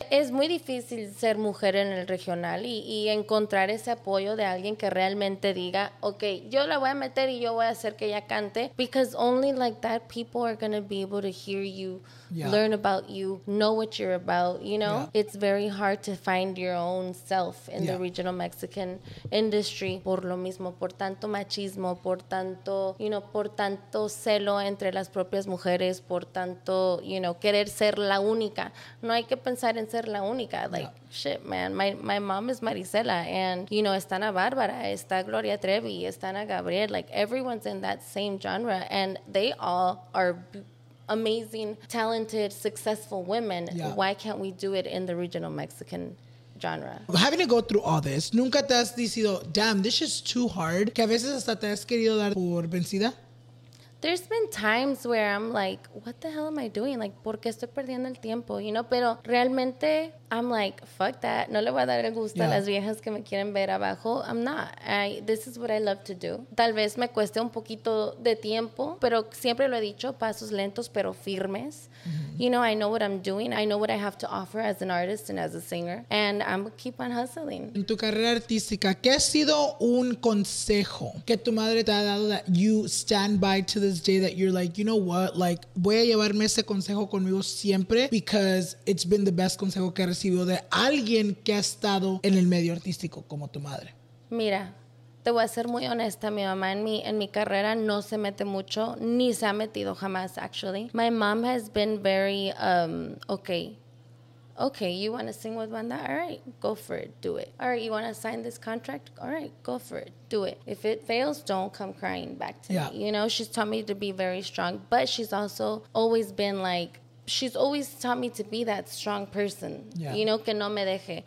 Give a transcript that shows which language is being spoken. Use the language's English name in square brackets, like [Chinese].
[Spanish] Es muy difícil ser mujer en el regional y encontrar ese apoyo de alguien que realmente diga, okay, yo la voy a meter y yo voy a hacer que ella cante. [English] Because only like that, people are going to be able to hear you, learn about you, know what you're about, you know? Yeah. It's very hard to find your own self in the regional Mexican industry. [Spanish] Por lo mismo, por tanto machismo, por tanto, you know, por tanto celo entre las propias mujeres, por tanto, you know, querer ser la única única. No hay que pensar en ser la única. [English] Like, yeah. Shit, man, my mom is Maricela, and, you know, está Ana Bárbara, está Gloria Trevi, está Ana Gabriel. Like, everyone's in that same genre, and they all are amazing, talented, successful women. Yeah. Why can't we do it in the regional Mexican genre? Having to go through all this, [Spanish] ¿nunca te has dicho, [English] damn, this is too hard? [Spanish] ¿Que a veces hasta te has querido dar por vencida? [English] There's been times where I'm like, what the hell am I doing? [Spanish] Like, ¿por qué estoy perdiendo el tiempo? [English] You know, [Spanish] pero realmente, [English] I'm like, fuck that. [Spanish] No le voy a dar el gusto, yeah, a las viejas que me quieren ver abajo. [English] I'm not. This is what I love to do. [Spanish] Tal vez me cueste un poquito de tiempo, pero siempre lo he dicho, pasos lentos, pero firmes. [English] Mm-hmm. You know, I know what I'm doing. I know what I have to offer as an artist and as a singer. And I'm going to keep on hustling. [Spanish] En tu carrera artística, ¿qué ha sido un consejo que tu madre te ha dado [English] that you stand by to this day that you're like, you know what, [Spanish] like, voy a llevarme ese consejo conmigo siempre [English] because it's been the best [Spanish] consejo que recibió de alguien que ha estado en el medio artístico como tu madre? Mira, te voy a ser muy honesta. Mi mamá en mi carrera no se mete mucho, ni se ha metido jamás, actually. [English] My mom has been very, okay, you want to sing with banda? All right, go for it, do it. All right, you want to sign this contract? All right, go for it, do it. If it fails, don't come crying back to, yeah, me. You know, she's taught me to be very strong, but she's also always been like, she's always taught me to be that strong person, yeah, you know, [Spanish] que no me deje.